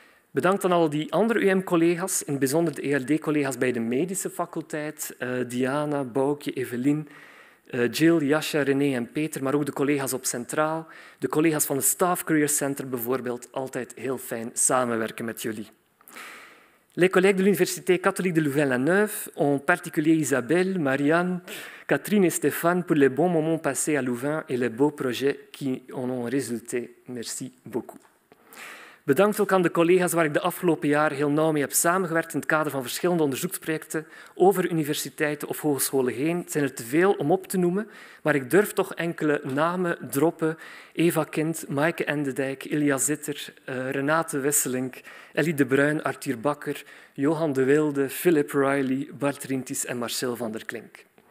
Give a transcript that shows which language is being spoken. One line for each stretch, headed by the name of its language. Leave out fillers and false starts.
Dutch: Bedankt aan al die andere UM-collega's, in het bijzonder de ERD-collega's bij de medische faculteit. Diana, Boukje, Evelien, Jill, Jascha, René en Peter, maar ook de collega's op Centraal. De collega's van het Staff Career Center bijvoorbeeld, altijd heel fijn samenwerken met jullie.
French: Les collègues de l'Université catholique de Louvain-la-Neuve, en particulier Isabelle, Marianne, Catherine et Stéphane, pour les bons moments passés à Louvain et les beaux projets qui en ont résulté. Merci beaucoup.
Dutch: Bedankt ook aan de collega's waar ik de afgelopen jaren heel nauw mee heb samengewerkt in het kader van verschillende onderzoeksprojecten over universiteiten of hogescholen heen. Het zijn er te veel om op te noemen, maar ik durf toch enkele namen droppen. Eva Kind, Maaike Endedijk, Ilja Zitter, Renate Wisselink, Ellie de Bruin, Arthur Bakker, Johan de Wilde, Philip Riley, Bart Rintjes en Marcel van der Klink.